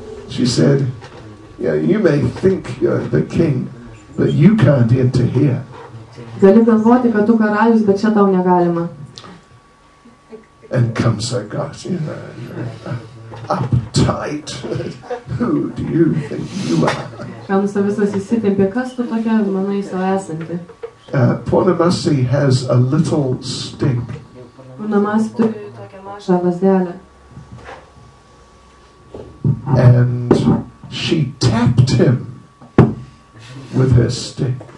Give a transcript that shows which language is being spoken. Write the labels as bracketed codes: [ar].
[en] She said, yeah, you may think you're the king, but you can't enter here. [lt] Gali galvoti, kad tu karalius, bet čia tau negalima. [en] And comes her guard, you know, uptight. Who do you think you are? [lt] Kamsa visas įsitempė, kas tu tokia, manai, savo esanti? [en] Purnamasi has a little stink. [lt] Purnamasi turi tokią mažą lazdelę. [en] And she tapped him with her stick.